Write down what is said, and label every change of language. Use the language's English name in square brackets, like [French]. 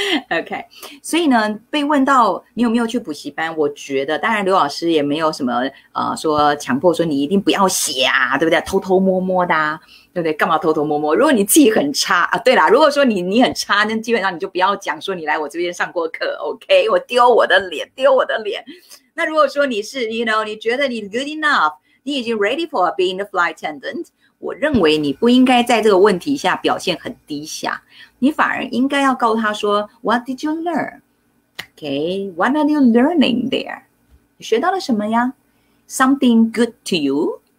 [Chinese] OK，所以呢，被问到你有没有去补习班，我觉得当然刘老师也没有什么说强迫说你一定不要写啊，对不对？偷偷摸摸的啊，对不对？干嘛偷偷摸摸？如果你自己很差啊，对啦，如果说你很差，那基本上你就不要讲说你来我这边上过课，OK？我丢我的脸，丢我的脸。那如果说你是， [English] you know， [Chinese] 你觉得你 [English] good enough， [Chinese] 你已经 [English] ready for being the flight attendant。 [Chinese] 我认为你不应该在这个问题下表现很低下，你反而应该要告诉他说 [English] "What did you learn? Okay, what are you learning there? [Chinese] 你学到了什么呀？ [English] Something good to you？